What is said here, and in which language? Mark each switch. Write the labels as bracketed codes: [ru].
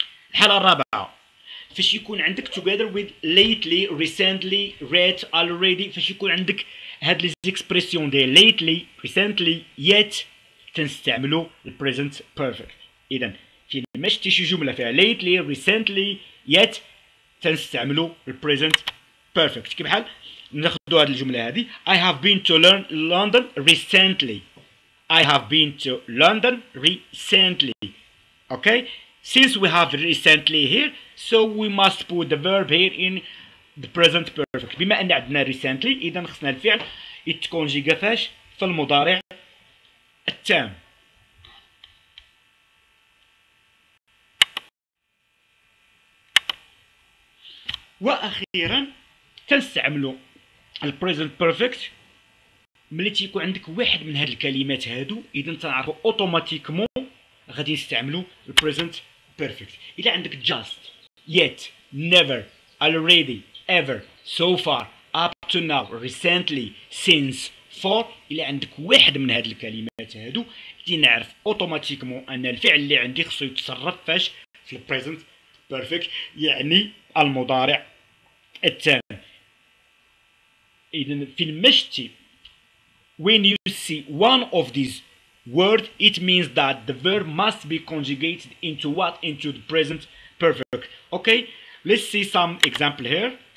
[ar] الحاله الرابعه فاش يكون عندك [en] together with lately recently read already [ar] فاش يكون عندك هاد لي زيكسبريسيون ديال lately recently yet تستعملوا present perfect. اذا في مشتي شي جمله فيها lately recently yet تستعملوا present perfect. كيف بحال ناخذوا هذه الجمله هذه [en] I have been to learn London recently. I have been to London recently. Okay, since we have recently here so we must put the verb here in the present perfect. [ar] بما ان عندنا recently اذا خصنا الفعل يتكونجي فاش في المضارع التام. واخيرا تنستعملوا البريزنت بيرفكت ملي تيكون عندك واحد من هاد الكلمات هادو اذا تنعرفوا اوتوماتيكمون غادي نستعملوا البريزنت بيرفكت. الا عندك [en] just yet never already ever so far up to now recently since for [ar] الا عندك واحد من هاد الكلمات هادو غادي نعرف اوتوماتيكمون ان الفعل اللي عندي خصو يتصرف فاش في البريزنت بيرفكت يعني المضارع التام. إذن في المشتي [en] when you see one of these words it means that the verb must be conjugated into what into the present perfect. Okay, let's see some example here.